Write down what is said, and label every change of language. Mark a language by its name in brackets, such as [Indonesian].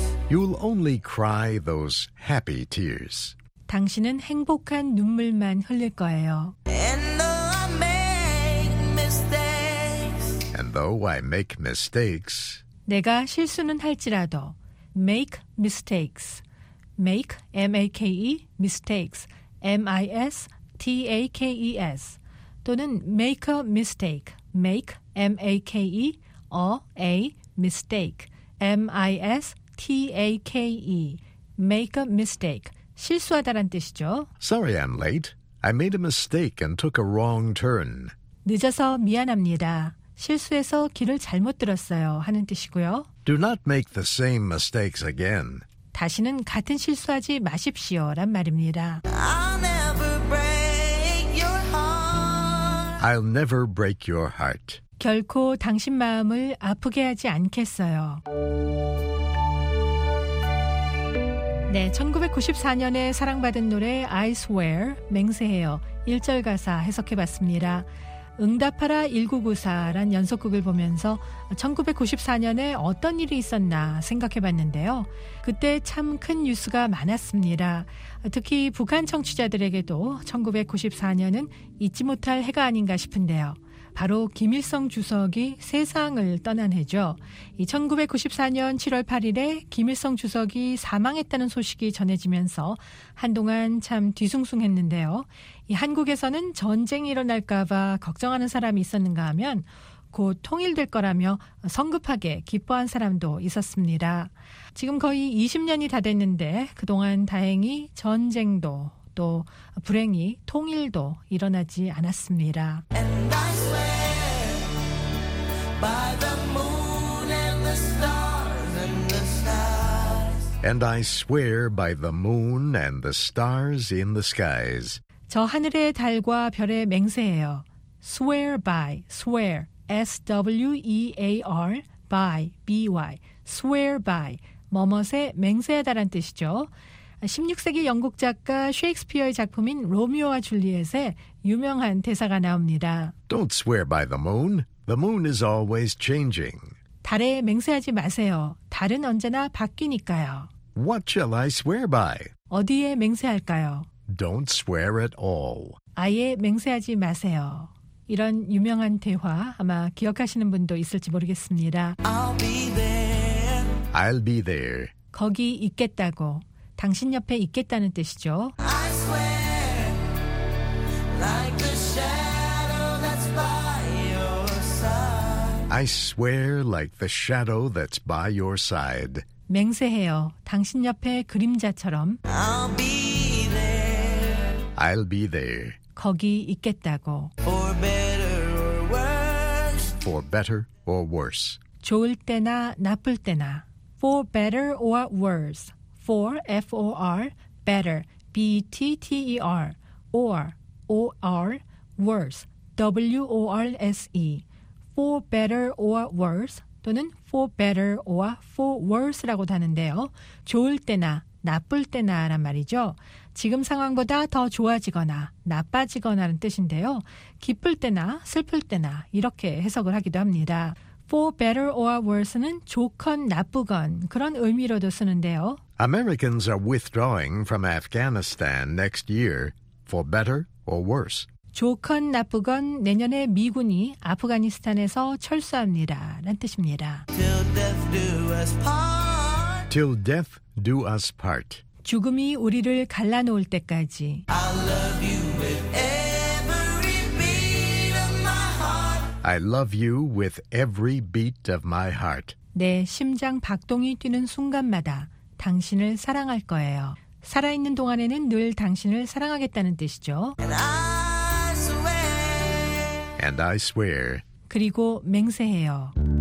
[English] You'll only cry those happy tears. [Korean] 당신은 행복한 눈물만 흘릴 거예요. [English] And though I make mistakes. And though I make mistakes. [Korean] 내가 실수는 할지라도 [English] make mistakes. Make M-A-K-E mistakes. M-I-S-T-A-K-E-S. [Korean] 또는 [English] make a mistake. Make M-A-K-E a a mistake. M-I-S T-A-K-E, make a mistake, [Korean] 실수하다란 뜻이죠. [English] Sorry I'm late. I made a mistake and took a wrong turn. [Korean] 늦어서 미안합니다. 실수해서 길을 잘못 들었어요 하는 뜻이고요. [English] Do not make the same mistakes again. [Korean] 다시는 같은 실수하지 마십시오 란 말입니다. [English] I'll never break your heart. I'll never break your heart. [Korean] 결코 당신 마음을 아프게 하지 않겠어요. 네, 1994년에 사랑받은 노래 I Swear, 맹세해요. 1절 가사 해석해봤습니다. 응답하라 1994란 연속극을 보면서 1994년에 어떤 일이 있었나 생각해봤는데요. 그때 참 큰 뉴스가 많았습니다. 특히 북한 청취자들에게도 1994년은 잊지 못할 해가 아닌가 싶은데요. 바로 김일성 주석이 세상을 떠난 해죠. 이 1994년 7월 8일에 김일성 주석이 사망했다는 소식이 전해지면서 한동안 참 뒤숭숭했는데요. 이 한국에서는 전쟁이 일어날까 봐 걱정하는 사람이 있었는가 하면 곧 통일될 거라며 성급하게 기뻐한 사람도 있었습니다. 지금 거의 20년이 다 됐는데 그동안 다행히 전쟁도 또 불행히 통일도 일어나지 않았습니다. [English] And I swear by the moon and the stars and the skies. And I swear by the moon and the stars in the skies. [Korean] 저 하늘의 달과 별에 맹세해요. [English] Swear by, swear, S-W-E-A-R, by, B-Y. Swear by, [Korean] 뭐뭇에 맹세하다란 뜻이죠. 16세기 영국 작가 셰익스피어의 작품인 로미오와 줄리엣에 유명한 대사가 나옵니다. [English] Don't swear by the moon. The moon is always changing. [Korean] 달에 맹세하지 마세요. 달은 언제나 바뀌니까요. [English] What shall I swear by? [Korean] 어디에 맹세할까요? [English] Don't swear at all. [Korean] 아예 맹세하지 마세요. 이런 유명한 대화 아마 기억하시는 분도 있을지 모르겠습니다. [English] I'll be there. I'll be there. [Korean] 거기 있겠다고, 당신 옆에 있겠다는 뜻이죠. [English] I swear, like a shadow that's by your side. I swear like the shadow that's by your side. [Korean] 맹세해요. 당신 옆에 그림자처럼. [English] I'll be there. I'll be there. [Korean] 거기 있겠다고. [English] For better or worse. For better or worse. [Korean] 좋을 때나 나쁠 때나. [English] For better or worse. For, F-O-R, better, B-T-T-E-R, or, worse, W-O-R-S-E. For better or worse, [Korean] 또는 [English] for better or for worse라고도 하는데요. [Korean] 좋을 때나 나쁠 때나란 말이죠. 지금 상황보다 더 좋아지거나 나빠지거나는 뜻인데요. 기쁠 때나 슬플 때나 이렇게 해석을 하기도 합니다. [English] For better or worse [Korean] 는 좋건 나쁘건 그런 의미로도 쓰는데요. [English] Americans are withdrawing from Afghanistan next year, for better or worse. [Korean] 좋건 나쁘건 내년에 미군이 아프가니스탄에서 철수합니다. 라는 뜻입니다. [English] Till death do us part. Till death do us part. [Korean] 죽음이 우리를 갈라놓을 때까지. [English] I'll love you with every beat of my heart. I love you with every beat of my heart. [Korean] 내 심장 박동이 뛰는 순간마다 당신을 사랑할 거예요. 살아있는 동안에는 늘 당신을 사랑하겠다는 뜻이죠. [English] And I swear. And I swear. [Korean] 그리고 맹세해요.